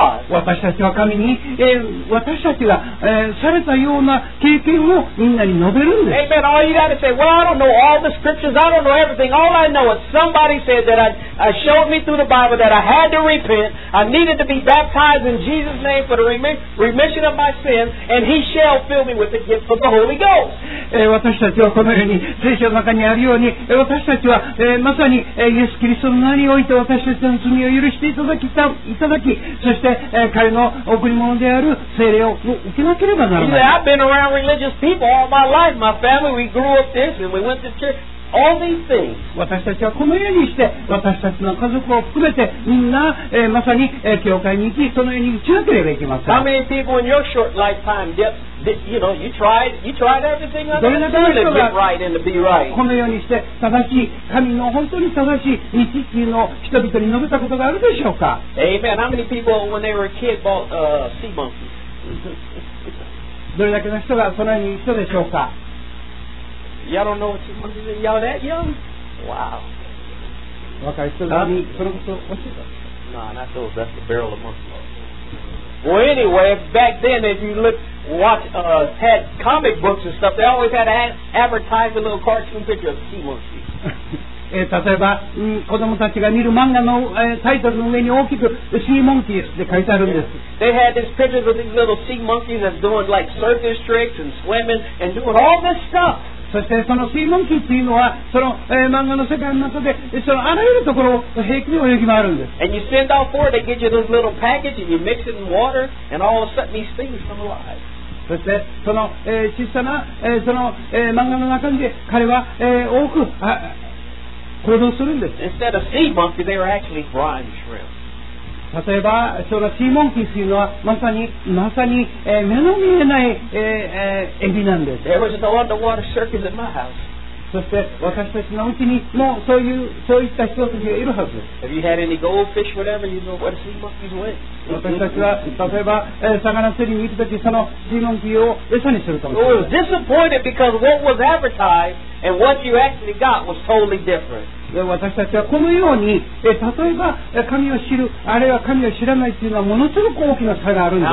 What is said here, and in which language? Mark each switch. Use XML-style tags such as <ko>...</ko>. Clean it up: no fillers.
<ja>私たちは神に、私たちが、されたような経験をみんなに述べるんです。</ja> <en>Amen. All you got to say, well, I don't know all the scriptures, I don't know everything. All I know is somebody said that I showed me through the Bible that I had to repent, I needed to be baptized in JesusFor the remission of my sins, and he shall fill me with the gift of the Holy Ghost.</en> <ja>私たちはこのように聖書の中にあるように、私たちは、まさに、イエス・キリストの名において私たちの罪を許していただき、そして、彼の贈り物である聖霊を受けなければならない。</ja> <en>He said, I've been around religious people all my life. My family, we grew up this, and we went to church. All these things.</en> <ja>私たちはこのようにして私たちの家族を含めてみんな、まさに、教会に行きそのように打ち明ければいけません。</ja> <en>How many people in your short lifetime did you tried everything on the earth to get right and to be right?</en> <ja>このようにして正しい神の本当に正しい道っていうのを人々に述べたことがあるでしょうか。</ja> <en>Amen. How many people when they were a kid bought sea monkeys?</en> <ja>どれだけの人がそのように言う人でしょうか。</ja> <en>Y'all don't know what you want to do? Y'all that young? Wow. Okay, so let me put them so... What's it? Nah, not those. That's the barrel of monkey balls. Well, anyway, back then, if you look, watch, had comic books and stuff, they always had advertised a little cartoon picture of sea monkeys.</en> <ja>例えば、子供たちが見る漫画の、タイトルの上に大きくシーモンキーって書いてあるんです。</ja> <en>They had this picture of these little sea monkeys that's doing like circus tricks and swimming and doing all this stuff.</en> <ja>そしてそのシーモンキーというのはその、漫画の世界の中でそのあらゆるところを平気に泳ぎ回るんです。</ja> <en>And you send out for it, they get you this little package and you mix it in water and all of a sudden these things come alive.</en> <ja>そしてその、小さな、その、漫画の中で彼は、多く行動するんです。</ja> <en>Instead of sea monkeys, they were actually brine shrimp.</en> <ja>例えばそのシーモンキーというのはまさに、目の見えない、エビなんです。</ja> <en>There was an underwater circus at my house.</en> <ja>そして私たちのうちにもうそういうそういった人たちがいるはず。</ja> <en>Have you had any goldfish, whatever? You know what a sea monkey's like.</en> <ja>私たちは例えば魚釣りに行くときそのシーモンキーを餌にすると思う。</ja> <en>We were disappointed because what was advertised and what you actually got was totally different.</en> <ja>私たちはこのように例えば神を知るあるいは神を知らないというのはものすごく大きな差があるんです。</ja>